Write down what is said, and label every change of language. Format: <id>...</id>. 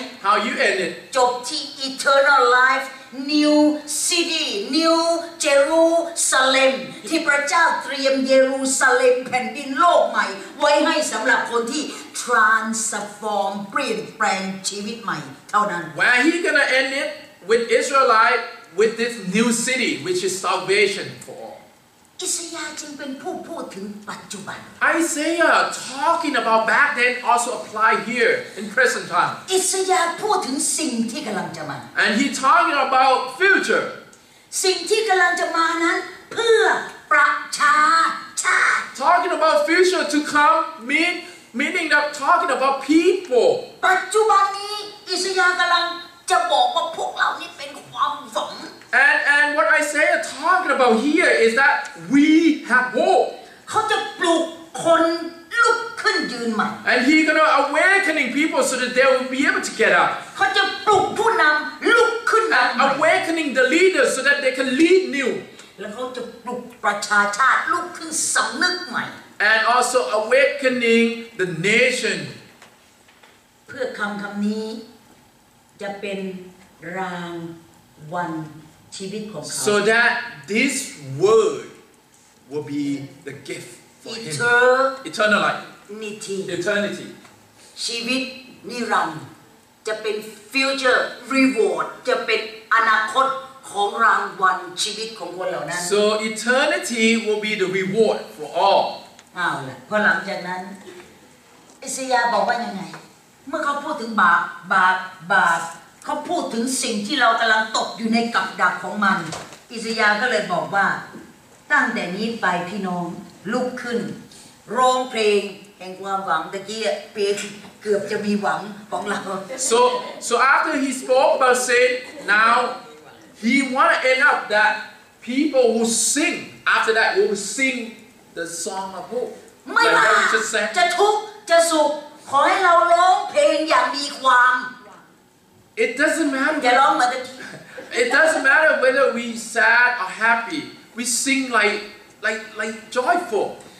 <en>How you end it</en> <th>จบที่</th> <en>eternal life New City New Jerusalem</en> <th>ที่พระเจ้าเตรียมเยรูซาเล็มแผ่นดินโลกใหม่ไว้ให้สำหรับคนที่ transform เปลี่ยนแปลงชีวิตใหม่เท่านั้น</th> <en>Where he gonna end it with Israelite with this new city which is salvation for all</en> <th>อิสยาห์จึงเป็นผู้พูดถึงปัจจุบัน</th> <en>Isaiah talking about back then also apply here in present time</en> <th>อิสยาห์พูดถึงสิ่งที่กำลังจะมา</th> <en>And he talking about future</en> <th>สิ่งที่กำลังจะมานั้นเพื่อประชาชาติ</th> <en>Talking about future to come meaning that talking about people</en> <th>ปัจจุบันนี้อิสยาห์กำลังจะบอกว่าพวกเรานี่เป็นความหวัง</th> <en>And what Isaiah talking about here is that we have hope.</en> <th>เขาจะปลุกคนลุกขึ้นยืนใหม่</th> <en>And he gonna awakening people so that they will be able to get up.</en> <th>เขาจะปลุกผู้นำลุกขึ้นใหม่</th> <en>Awakening the leaders so that they can lead new.</en> <th>แล้วเขาจะปลุกประชาชาติลุกขึ้นสำนึกใหม่</th> <en>And also awakening the nation.</en> <th>เพื่อคำนี้จะเป็นรางวัล</th> <en>So that this word will be the gift for him. Eternal life. Eternity.</en> <th>ชีวิตนิรันดร์จะเป็น</th> <en>future reward</en> <th>จะเป็นอนาคตของรางวัลชีวิตของคนเหล่านั้น</th> <en>So eternity will be the reward for all.</en> <th>เอาละพอหลังจากนั้นอิสยาห์บอกว่ายังไงเมื่อเขาพูดถึงบาปเขาพูดถึงสิ่งที่เรากำลังตกอยู่ในกับดักของมันอิสยาห์ก็เลยบอกว่าตั้งแต่นี้ไปพี่น้องลุกขึ้นร้องเพลงแห่งความหวังตะกี้เปรียบเกือบจะมีหวังของเรา</th> <en>So after he spoke about sin now he want to end up that people who sing after that will sing the song of hope</en> <th>ไม่ว่าจะทุกข์จะสุขขอให้เราร้องเพลงอย่างมีความ</th> <en>It doesn't matter. It doesn't matter whether we sad or happy. We sing like joyful.</en>